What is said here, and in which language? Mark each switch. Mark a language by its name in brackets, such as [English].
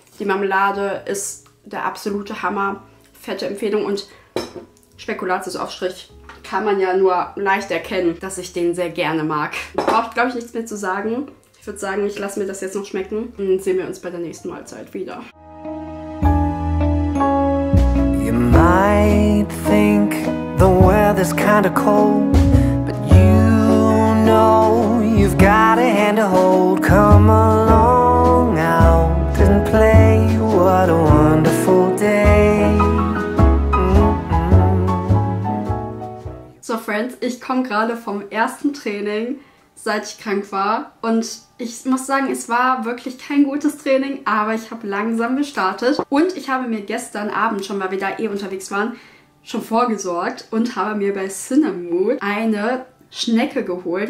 [German] Die Marmelade ist der absolute Hammer. Fette Empfehlung. Und Spekulatius-Aufstrich kann man ja nur leicht erkennen, dass ich den sehr gerne mag. Braucht, glaube ich, nichts mehr zu sagen. Ich würde sagen, ich lasse mir das jetzt noch schmecken und sehen wir uns bei der nächsten Mahlzeit wieder. [English] You might think the weather's kind of cold, but you know you've got a hand to hold. Come along out and play, what a wonderful day. [German] So Friends, ich komme gerade vom ersten Training, seit ich krank war. Und ich muss sagen, es war wirklich kein gutes Training, aber ich habe langsam gestartet. Und ich habe mir gestern Abend schon, weil wir da eh unterwegs waren, schon vorgesorgt und habe mir bei Cinnamon eine Schnecke geholt.